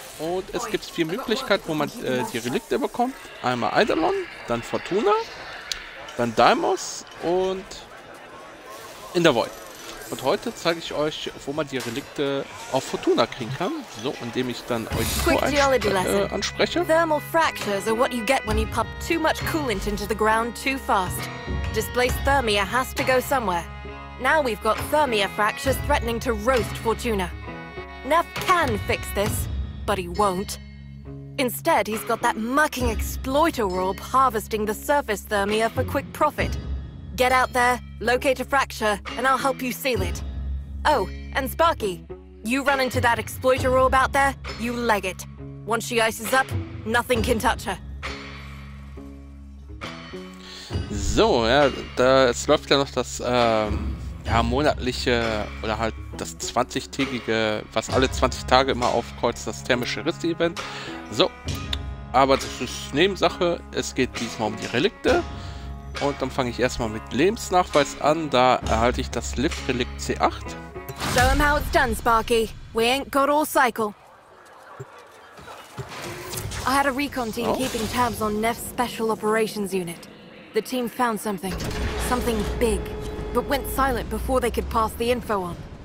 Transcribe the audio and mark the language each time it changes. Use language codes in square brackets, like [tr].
[de] Und es gibt vier Möglichkeiten, wo man die Relikte bekommt. Einmal Eidolon, dann Fortuna, dann Daimos und in der Void. Und heute zeige ich euch, wo man die Relikte auf Fortuna kriegen kann. So, indem ich dann euch anspreche. [en] Thermal fractures are what you get when you pump too much coolant into the ground too fast. Displaced thermia has to go somewhere. Now we've got thermia fractures threatening to roast Fortuna. Neff can fix this, but he won't. Instead, he's got that mucking exploiter orb harvesting the surface thermia for quick profit. Get out there, locate a fracture, and I'll help you seal it. Oh, and Sparky, you run into that exploiter orb out there, you leg it. Once she ices up, nothing can touch her. [de] So, ja, da, es läuft ja noch das ja, monatliche oder halt das 20-tägige, was alle 20 Tage immer aufkreuzt, das thermische Risse-Event. So, aber das ist Nebensache, es geht diesmal um die Relikte. Und dann fange ich erstmal mit Lebensnachweis an. Da erhalte ich das Lift-Relikt C8. [en] Show him how it's done, Sparky. We ain't got all cycle. I had a recon team keeping tabs on Neff's special operations unit. The team found something. Something big. But went silent before they could pass the info on.